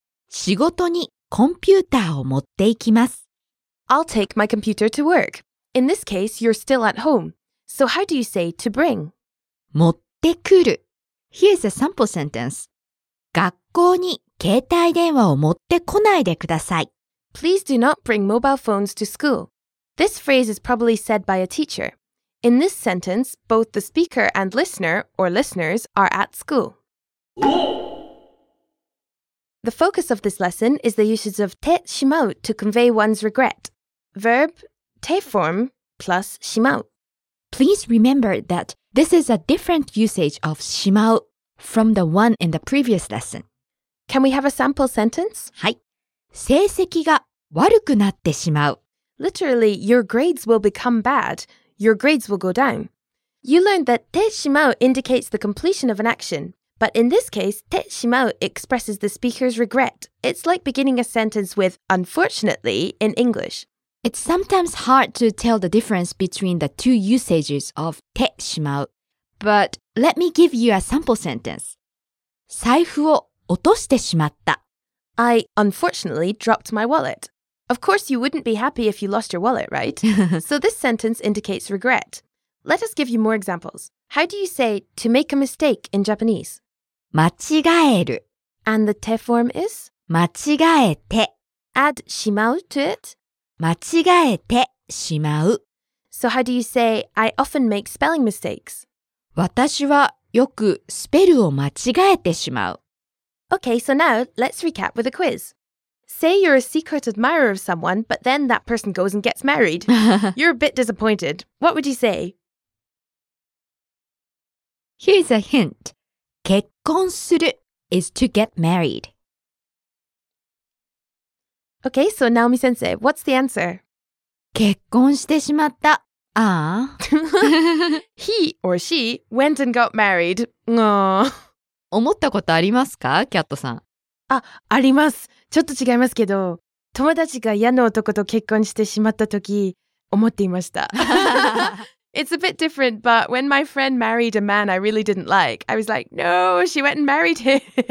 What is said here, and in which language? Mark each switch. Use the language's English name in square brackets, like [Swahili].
[Japanese] 仕事にコンピューターを持っていきます。 [English] I'll take my computer to work. In this case, you're still at home. So how do you say to bring? [Japanese] 持ってくる。 [English] Here's a sample sentence. [Japanese] 学校に携帯電話を持ってこないでください。 [English] Please do not bring mobile phones to school. This phrase is probably said by a teacher. In this sentence, both the speaker and listener, or listeners, are at school. The focus of this lesson is the usage of てしまうと convey one's regret. Verb, て form, plus しまう. Please remember that this is a different usage of しまう from the one in the previous lesson. Can we have a sample sentence? [Japanese] はい。成績が悪くなってしまう。 [English] Literally, your grades will become bad. Your grades will go down. You learned that てしまう indicates the completion of an action. But in this case, てしまう expresses the speaker's regret. It's like beginning a sentence with unfortunately in English. It's sometimes hard to tell the difference between the two usages of てしまう. But let me give you a sample sentence. [Japanese] 財布を落としてしまった。 [English] I unfortunately dropped my wallet. Of course, you wouldn't be happy if you lost your wallet, right? So this sentence indicates regret. Let us give you more examples. How do you say to make a mistake in Japanese? [Japanese] 間違える。 [English] And the te form is? [Japanese] 間違えて。 [English] Add しまうと it? [Japanese] 間違えてしまう。 [English] So how do you say I often make spelling mistakes? [Japanese] 私はよくスペルを間違えてしまう。 [English] Okay, so now let's recap with a quiz. Say you're a secret admirer of someone, but then that person goes and gets married. You're a bit disappointed. What would you say? Here's a hint. 結婚する is to get married. Okay, so Naomi sensei, what's the answer? [Japanese] 結婚してしまった。ああ。 [English] He or she went and got married. Aww. [Japanese] 思ったことありますか、キャットさん。あ、あります。ちょっと違いますけど、友達が嫌な男と結婚してしまった時、思っていました。 [English] It's a bit different, but when my friend married a man I really didn't like, I was like, no, she went and married him.